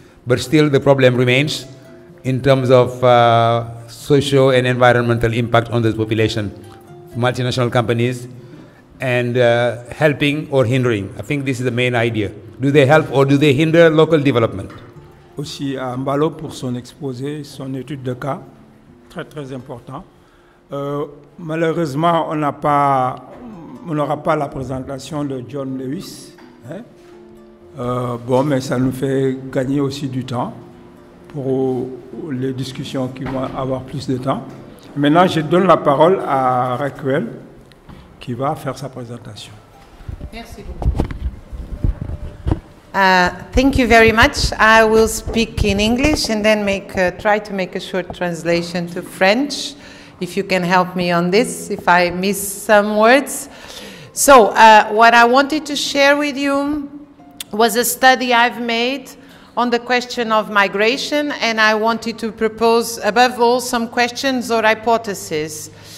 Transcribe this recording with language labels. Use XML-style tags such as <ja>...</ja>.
<en>But still the problem remains in terms of social and environmental impact on the population, multinational companies, and helping or hindering. I think this is the main idea. Do they help or do they hinder local development?</en> <fr>Aussi à Mbalo pour son exposé, son étude de cas, très très important. Malheureusement, on n'aura pas la présentation de John Lewis. Mais ça nous fait gagner aussi du temps pour les discussions qui vont avoir plus de temps. Maintenant, je donne la parole à Raquel qui va faire sa présentation. Merci beaucoup.</fr> <en>Thank you very much. I will speak in English and then try to make a short translation to French, if you can help me on this, if I miss some words. So, what I wanted to share with you was a study I've made on the question of migration, and I wanted to propose, above all, some questions or hypotheses.</en>